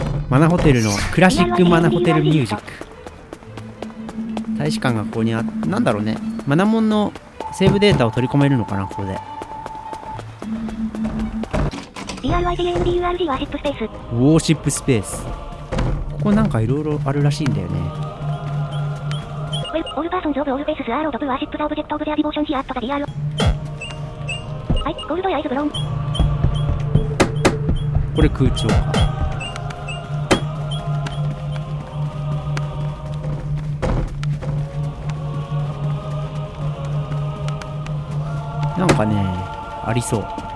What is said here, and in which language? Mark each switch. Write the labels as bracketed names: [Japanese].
[Japanese] マナホテルのクラシックマナホテルミュージック。大使館がここにあ、なんだろうね。マナモンのセーブデータを取り込めるのかな、ここで。 DRYTMDURG はシップスペース。ウォーシップスペース。ここなんかいろいろあるらしいんだよね。 [English] Well, all persons of all faces are allowed to worship the object of their devotion here at the DR. [Japanese] はい、ゴールドアイズブロン。これ空調か。なんかね、ありそう。